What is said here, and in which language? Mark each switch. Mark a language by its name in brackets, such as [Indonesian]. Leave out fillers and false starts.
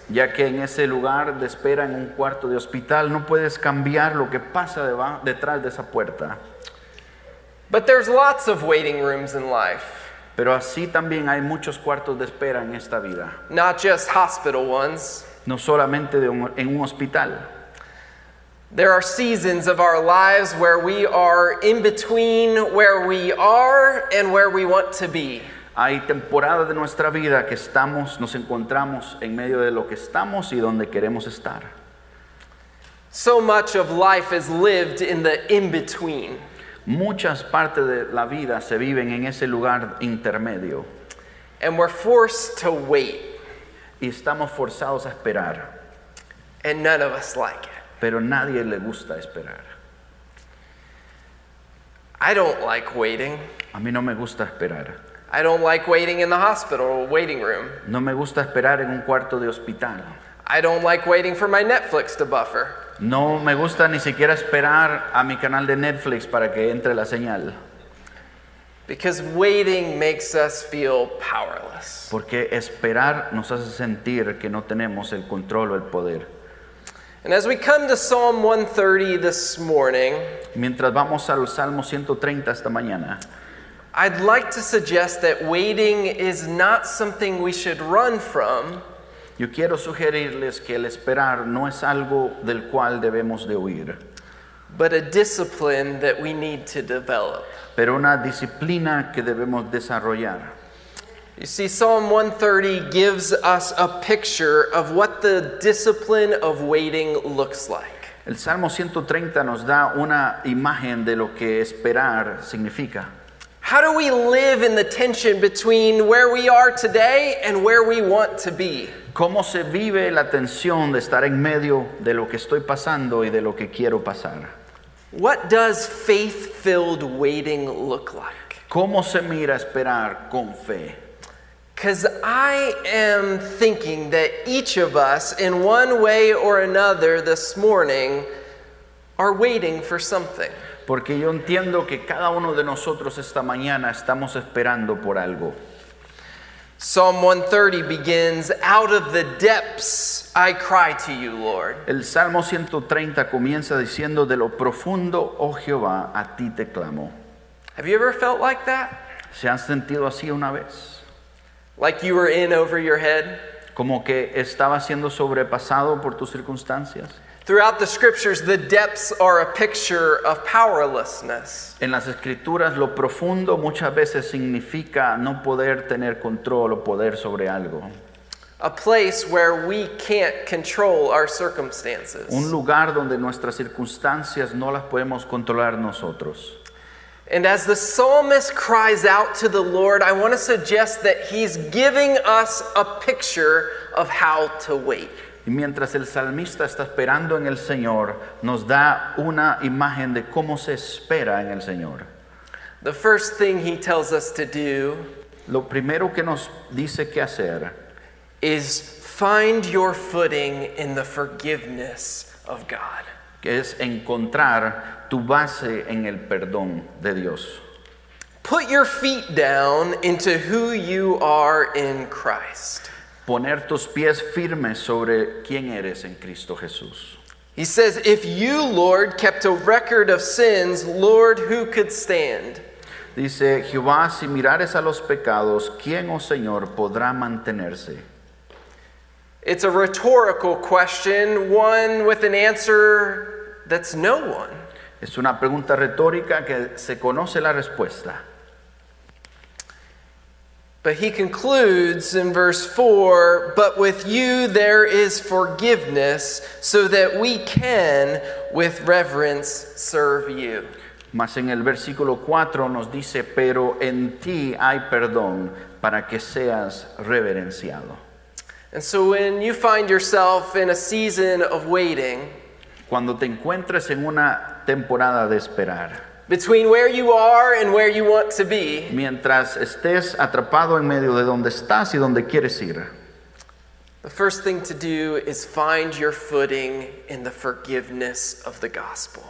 [Spanish] Ya que en ese lugar de espera en un cuarto de hospital no puedes cambiar lo que pasa detrás de esa puerta. [English] But there's lots of waiting rooms in life. [Spanish] Pero así también hay muchos cuartos de espera en esta vida. [English] Not just hospital ones. [Spanish] No solamente en un hospital. [English] There are seasons of our lives where we are in between where we are and where we want to be. [Spanish] Hay temporadas de nuestra vida que estamos, nos encontramos en medio de lo que estamos y donde queremos estar. [English] So much of life is lived in the in-between. [Spanish] Muchas partes de la vida se viven en ese lugar intermedio. [English] And we're forced to wait. [Spanish] Y estamos forzados a esperar. [English] And none of us like it. [Spanish] Pero nadie le gusta esperar. [English] I don't like waiting. [Spanish] A mí no me gusta esperar. [English] I don't like waiting in the hospital waiting room. [Spanish] No me gusta esperar en un cuarto de hospital. [English] I don't like waiting for my Netflix to buffer. [Spanish] No me gusta ni siquiera esperar a mi canal de Netflix para que entre la señal. [English] Because waiting makes us feel powerless. [Spanish] Porque esperar nos hace sentir que no tenemos el control o el poder. [English] And as we come to Psalm 130 this morning, [Spanish] mientras vamos al Salmo 130 esta mañana, [English] I'd like to suggest that waiting is not something we should run from. [Spanish] Yo quiero sugerirles que el esperar no es algo del cual debemos de huir. [English] But a discipline that we need to develop. [Spanish] Pero una disciplina que debemos desarrollar. [English] You see, Psalm 130 gives us a picture of what the discipline of waiting looks like. [Spanish] El Salmo 130 nos da una imagen de lo que esperar significa. [English] How do we live in the tension between where we are today and where we want to be? [Spanish] ¿Cómo se vive la tensión de estar en medio de lo que estoy pasando y de lo que quiero pasar? [English] What does faith-filled waiting look like? [Spanish] ¿Cómo se mira esperar con fe? [English] Because I am thinking that each of us, in one way or another this morning, are waiting for something. [Spanish] Porque yo entiendo que cada uno de nosotros esta mañana estamos esperando por algo. [English] Psalm 130 begins, "Out of the depths I cry to you, Lord." [Spanish] El Salmo 130 comienza diciendo, "De lo profundo, oh Jehová, a ti te clamo." [English] Have you ever felt like that? [Spanish] ¿Se han sentido así una vez? [English] Like you were in over your head? [Spanish] Como que estaba siendo sobrepasado por tus circunstancias. [English] Throughout the scriptures, the depths are a picture of powerlessness. [Spanish] En las escrituras, lo profundo muchas veces significa no poder tener control o poder sobre algo. [English] A place where we can't control our circumstances. [Spanish] Un lugar donde nuestras circunstancias no las podemos controlar nosotros. [English] And as the psalmist cries out to the Lord, I want to suggest that he's giving us a picture of how to wait. [Spanish] Y mientras el salmista está esperando en el Señor, nos da una imagen de cómo se espera en el Señor. [English] The first thing he tells us to do, [Spanish] lo primero que nos dice que hacer, [English] is find your footing in the forgiveness of God. [Spanish] Que es encontrar tu base en el perdón de Dios. [English] Put your feet down into who you are in Christ. [Spanish] Poner tus pies firmes sobre quién eres en Cristo Jesús. [English] He says, "If you, Lord, kept a record of sins, Lord, who could stand?" [Spanish] Dice, Jehová, si mirares a los pecados, ¿quién, oh Señor, podrá mantenerse? [English] It's a rhetorical question, one with an answer that's no one. [Spanish] Es una pregunta retórica que se conoce la respuesta. [English] But he concludes in verse 4, "But with you there is forgiveness, so that we can with reverence serve you." [Spanish] Mas en el versículo 4 nos dice, "Pero en ti hay perdón para que seas reverenciado. [English] And so when you find yourself in a season of waiting, [Spanish] cuando te encuentres en una temporada de esperar, [English] between where you are and where you want to be, [Spanish] mientras estés atrapado en medio de donde estás y donde quieres ir, [English] the first thing to do is find your footing in the forgiveness of the gospel.